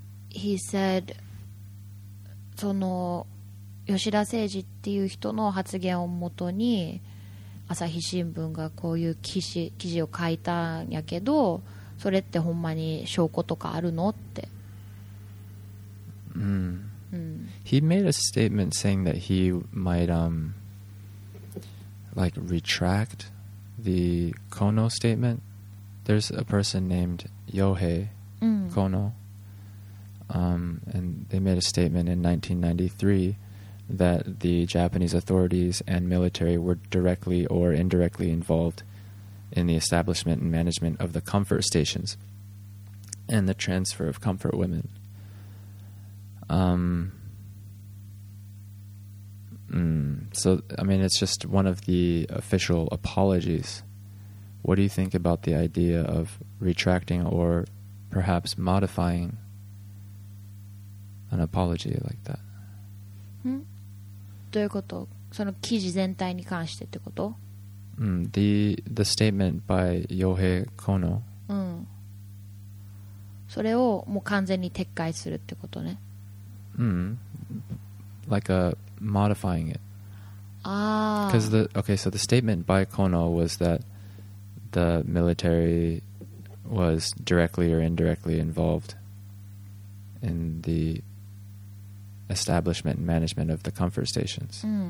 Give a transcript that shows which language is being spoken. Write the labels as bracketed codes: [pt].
[en] He said [ja] その吉田誠二っていう人の発言をもとに朝日新聞がこういう記事を書いたんやけど、それってほんまに証拠とかあるのって。うん。 [en] He made a statement saying that he might like retract the Kono statement. There's a person named Yohei Kono, and they made a statement in 1993 that the Japanese authorities and military were directly or indirectly involved in the establishment and management of the comfort stations. and the transfer of comfort women. So, I mean, it's just one of the official apologies. What do you think about the idea of retracting or perhaps modifying an apology like that? [ja] どういうこと？その記事全体に関してってこと？ [en] The statement by Yohei Kono. [ja] それをもう完全に撤回するってことね。 [en] Like a modifying it. Ah. Because the statement by Kono was that the military was directly or indirectly involved in the establishment and management of the comfort stations.